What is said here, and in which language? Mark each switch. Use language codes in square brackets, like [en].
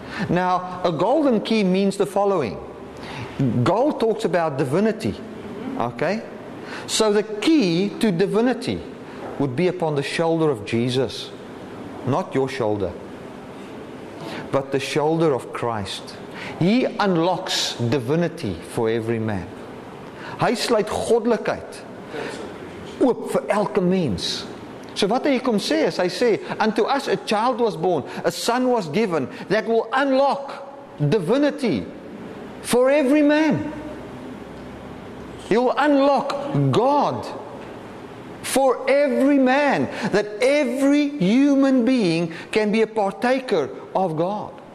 [en] Now, a golden key means the following. Gold talks about divinity. Okay? So the key to divinity would be upon the shoulder of Jesus. Not your shoulder, but the shoulder of Christ. He unlocks divinity for every man. [af] Hy sluit goddelikheid oop vir elke mens. So wat hy kom sê is, hy sê, [en] unto us a child was born, a son was given, that will unlock divinity for every man. He will unlock God for every man, that every human being can be a partaker of God.